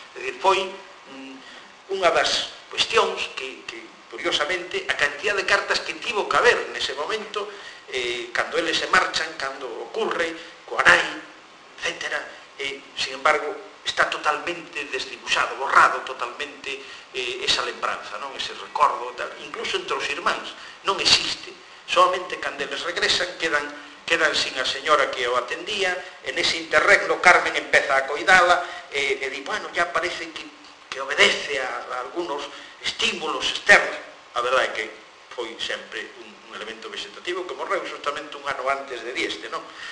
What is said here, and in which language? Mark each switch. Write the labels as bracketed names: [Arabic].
[Galician] É dicir, foi unha das cuestións que curiosamente, a cantidad de cartas que tivo que haber nese momento, cando eles se marchan, cando ocurre, coa nai, etcétera, sin embargo, está totalmente desdibuxado, borrado totalmente esa lembranza, non? Ese recordo, tal. Incluso entre os irmáns, non existe. Solamente cando eles regresan, quedan sin a señora que o atendía, en ese interregno Carmen empeza a coidala, e di, bueno, [Spanish] ya parece que obedece a algunos estímulos externos. [Galician] A verdade é que foi sempre un elemento vegetativo que morreu justamente un ano antes de dieste, non?